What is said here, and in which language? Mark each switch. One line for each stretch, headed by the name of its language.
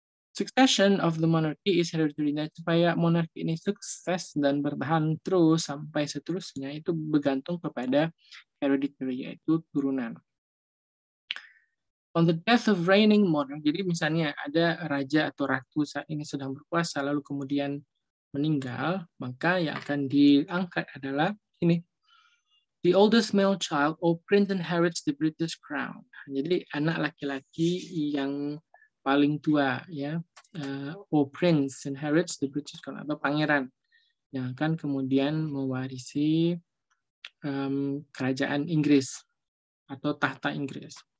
English: Succession of the monarchy is hereditary.
Indonesian: Nah, supaya monarki ini sukses dan bertahan terus sampai seterusnya itu bergantung kepada hereditary, yaitu turunan.
English: On the death of reigning monarch,
Indonesian: jadi misalnya ada raja atau ratu saat ini sedang berkuasa, lalu kemudian meninggal, maka yang akan diangkat adalah ini.
English: The oldest male child or prince inherits the British crown.
Indonesian: Jadi anak laki-laki yang paling tua ya,
English: or prince inherits the British crown
Indonesian: atau pangeran yang akan kemudian mewarisi kerajaan Inggris atau tahta Inggris.